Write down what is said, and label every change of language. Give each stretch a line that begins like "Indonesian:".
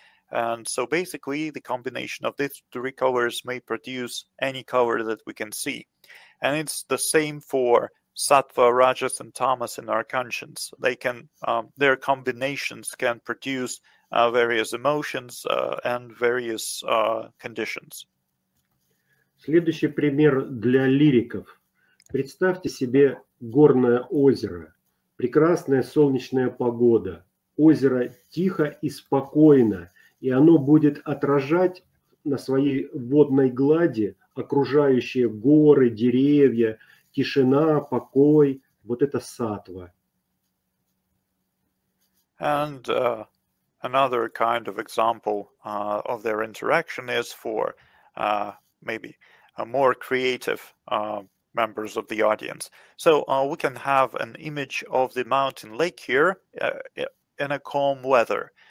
English: And so basically, the combination of these three colors may produce any color that we can see. And it's the same for sattva, rajas, and tamas in our conscience. They can, their combinations can produce various emotions and various conditions.
Russian: Следующий пример для лириков. Представьте себе горное озеро. Прекрасная солнечная погода. Озеро тихо и спокойно. И оно будет отражать на своей водной глади окружающие горы, деревья, тишина, покой. Вот это сатва.
English: And another kind of example of their interaction is for maybe a more creative members of the audience. So we can have an image of the mountain lake here in a calm weather.